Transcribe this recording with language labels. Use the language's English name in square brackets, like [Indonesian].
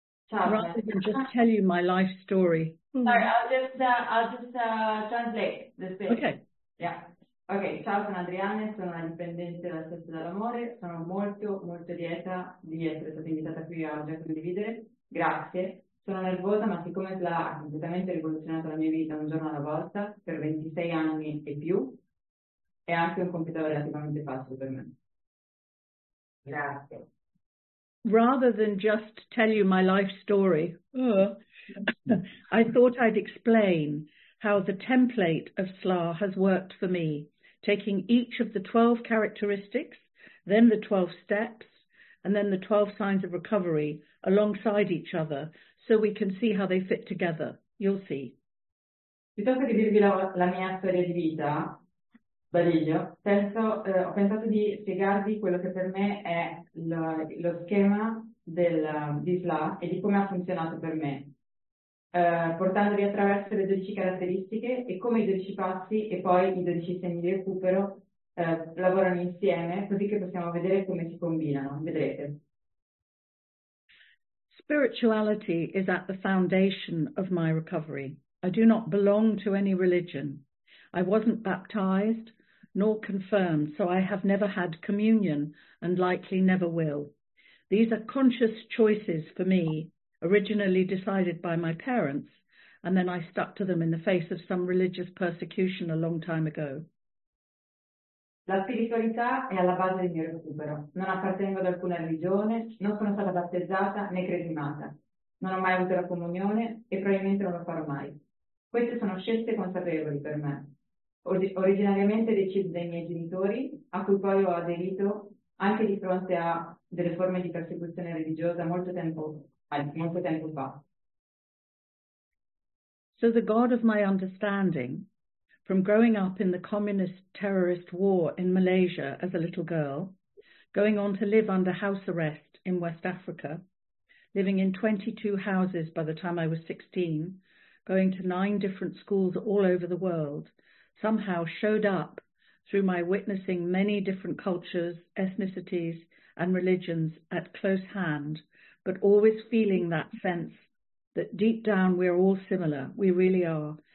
[English] Rather than just tell you my life story. Sorry, I'll just translate this bit. Okay. Yeah. Okay. [Italian] Ciao, sono Adriana, sono una dipendente della sesso dell'amore. Sono molto, molto lieta di essere stata invitata qui oggi a condividere. Grazie. Sono nervosa, ma siccome SLA ha completamente rivoluzionato la mia vita un giorno alla volta, per 26 anni e più, è anche un compito relativamente facile per me. Grazie. [English] Rather than just tell you my life story, I thought I'd explain how the template of SLA has worked for me, taking each of the 12 characteristics, then the 12 steps, and then the 12 signs of recovery alongside each other, so we can see how they fit together. You'll see. [Italian] Piuttosto che dirvi la mia storia di vita, Badiglio, ho pensato di spiegarvi quello che per me è lo schema di SLA e di come ha funzionato per me, portandovi attraverso le 12 caratteristiche e come i 12 passi e poi i 12 segni di recupero lavorano insieme, così che possiamo vedere come si combinano. Vedrete. [English] Spirituality is at the foundation of my recovery. I do not belong to any religion. I wasn't baptized nor confirmed, so I have never had communion and likely never will. These are conscious choices for me, originally decided by my parents, and then I stuck to them in the face of some religious persecution a long time ago. [Italian] La spiritualità è alla base del mio recupero. Non appartengo ad alcuna religione, non sono stata battezzata né cresimata. Non ho mai avuto la comunione e probabilmente non lo farò mai. Queste sono scelte consapevoli per me. Originariamente decise dai miei genitori, a cui poi ho aderito anche di fronte a delle forme di persecuzione religiosa molto tempo fa. [English] So the God of my understanding, from growing up in the communist terrorist war in Malaysia as a little girl, going on to live under house arrest in West Africa, living in 22 houses by the time I was 16, going to 9 different schools all over the world, somehow showed up through my witnessing many different cultures, ethnicities, and religions at close hand, but always feeling that sense that deep down we're all similar, we really are.